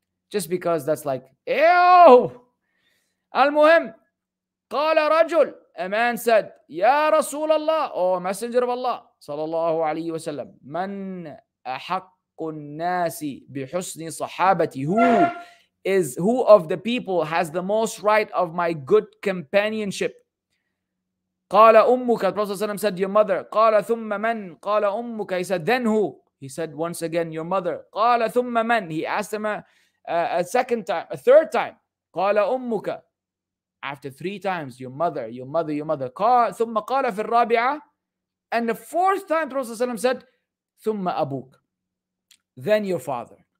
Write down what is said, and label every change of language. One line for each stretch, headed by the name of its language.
English: Just because that's like, ew!
Arabic: Al-Muhim, qala rajul,
English: a man said,
Arabic: Ya Rasul Allah,
English: O Messenger of Allah, sallallahu alayhi wa sallam,
Arabic: man ahakkun nasi bihusni sahabati,
English: who of the people has the most right of my good companionship?
Arabic: قال أمك,
English: the Prophet ﷺ said, your mother.
Arabic: قال ثم من, قال أمك,
English: he said, then who? He said once again, your mother.
Arabic: قال ثم من,
English: he asked him a second time, a third time.
Arabic: قال أمك,
English: after three times, your mother, your mother, your mother.
Arabic: قال ثم قال في الرابعة,
English: and the fourth time, the Prophet ﷺ said,
Arabic: ثم أبوك,
English: then your father.